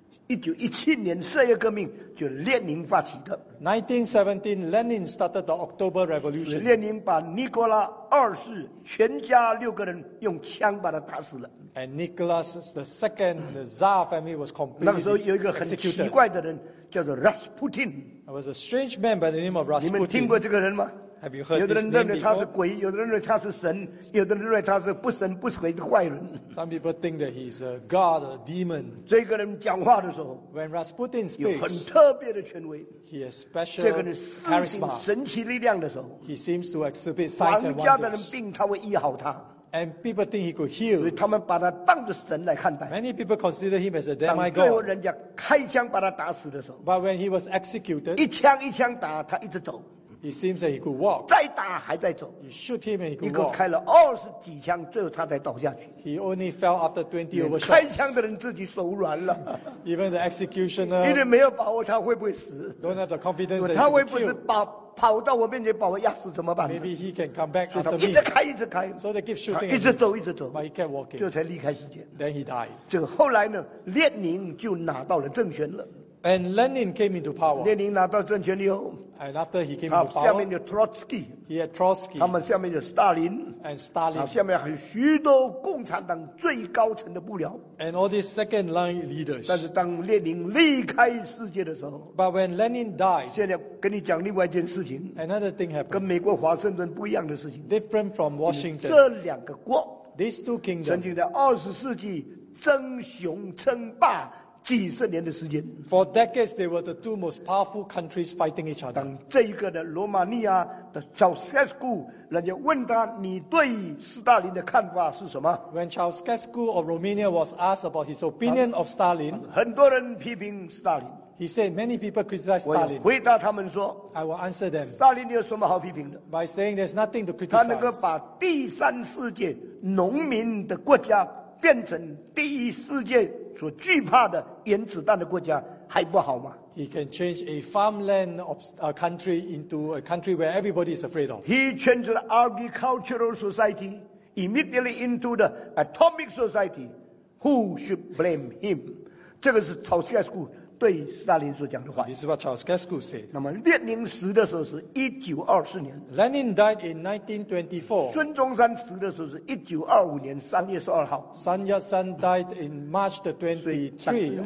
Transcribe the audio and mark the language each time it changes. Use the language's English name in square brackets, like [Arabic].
[Chinese] 1917年十月革命就列宁发起的。 [English] 1917, Lenin started the October Revolution. [Chinese] 列宁把尼古拉二世全家六个人用枪把他打死了。 [English] And Nicholas the second, the Tsar family was completely executed. [Chinese] 那个时候有一个很奇怪的人叫做 Rasputin. [English] There was a strange man by the name of Rasputin. [Chinese] 你们听过这个人吗？ [English] Have you heard [Chinese] 有的人认为他是鬼，有的人认为他是神，有的人认为他是不神不鬼的坏人。 [English] Some people think that he's a god, a demon. [Chinese] 这个人讲话的时候 [English] ，When Rasputin speaks, [Chinese] 有很特别的权威。 [English] He has special charisma. [Chinese] 这个人施行神奇力量的时候 [English] ，He seems to exhibit signs and wonders. [Chinese] 皇家的人病，他会医好他。 [English] And people think he could heal. [Chinese] 所以他们把他当着神来看待。 [English] Many people consider him as a demigod. [Chinese] 当最后人家开枪把他打死的时候。 [English] But when he was executed, [Chinese] 一枪一枪打，他一直走。 [English] He seems that he could walk. [Chinese] 再打还在走。 [English] You shoot him and he could walk. [Chinese] 一共开了二十几枪，最后他才倒下去。 [English] He only fell after 20 overshots. [Chinese] 开枪的人自己手软了。 [English] Even the executioner, [Chinese] 因为没有把握他会不会死。 [English] Don't have the confidence that he could kill. [Chinese] 他会不会把跑到我面前把我压死怎么办 [English] ？Maybe he can come back after me. [Chinese] 一直开，一直开。 [English] So they keep shooting. [Chinese] 一直走，一直走。 [English] But he kept walking. [Chinese] 就才离开世界。 [English] Then he died. [Chinese] 这个后来呢，列宁就拿到了政权了。 [English] And Lenin came into power. [Chinese] 列宁拿到政权以后 [English] ，And after he came into power, [Chinese] 下面有 Trotsky. [English] He had Trotsky. [Chinese] 他们下面有 Stalin. [English] And Stalin. [Chinese] 下面还有许多共产党最高层的幕僚。 [English] And all these second line leaders. [Chinese] 但是当列宁离开世界的时候 [English] ，But when Lenin died. [Chinese] 现在跟你讲另外一件事情 [English] ，Another thing happened. [Chinese] 跟美国华盛顿不一样的事情 [English] ，Different from Washington. [Chinese] 这两个国 [English] ，These two kingdoms. [Chinese] 曾经在二十世纪争雄称霸几十年的时间 [English] ，For decades they were the two most powerful countries fighting each other. [Chinese] 当这一个的罗马尼亚的 Ceaușescu， 人家问他你对斯大林的看法是什么 [English] ？When Ceaușescu of Romania was asked about his opinion of Stalin， [Chinese] 很多人批评斯大林。 [English] He said many people criticize Stalin. [Chinese] 回答他们说 [English] ，I will answer them. [Chinese] 斯大林有什么好批评的 [English] ？By saying there's nothing to criticize. [Chinese] 他能够把第三世界农民的国家变成第一世界所惧怕的原子弹的国家，还不好吗 [English] ？He can change a farmland of a country into a country where everybody is afraid of. He changed the agricultural society immediately into the atomic society. Who should blame him? [Chinese] 这个是曹斯盖斯库。对斯大林所讲的话。 [English] This is what Charles Gascou said. [Chinese] 那么列宁死的时候是1924年。 [English] Lenin died in 1924. [Chinese] 孙中山死的时候是1925年3月12号。 [English] Sun Yat-sen died in March the 23.